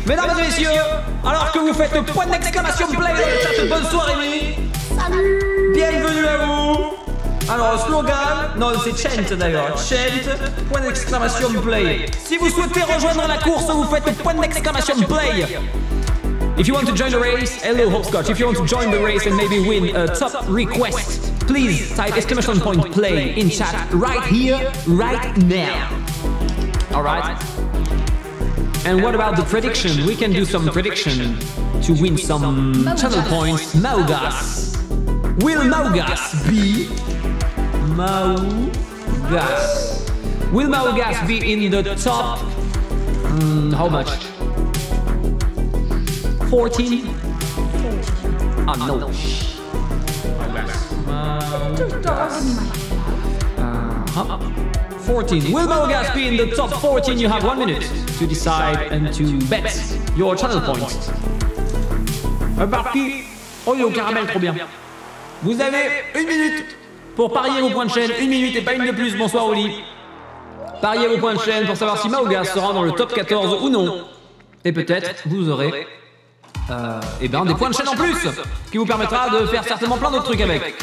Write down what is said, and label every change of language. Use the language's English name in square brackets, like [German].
[French] Mesdames et messieurs, alors que vous faites point d'exclamation plein dans le chat, bonsoir Rémi. Salut. Bienvenue à vous. Alors, slogan, non, c'est chant d'ailleurs. Chant, point d'exclamation play. Si vous souhaitez rejoindre la course, vous faites point d'exclamation play. [English] If you want to join the race, hello Hopscotch, if you want to join the race and maybe win a top request, please type exclamation point play in chat right here, right now. Alright? And what about the prediction? We can do some prediction to win some channel points. Maugas. Will Maugas be... Maugas. Will Maugas be in the top... how much? 14? Ah, no. 14. Will Maugas be in the top 14? You have 1 minute to decide and to bet your channel points. [French] Un parti. Oh, yo, caramel, trop bien. Vous avez 1 minute pour parier vos points de chaîne. 1 minute et pas une de plus. Bonsoir, Oli. Parier vos points de chaîne pour savoir si Maugas sera dans le top 14 ou non. Et peut-être vous aurez... des points de chaîne en plus, qui vous permettra de faire certainement plein d'autres trucs avec.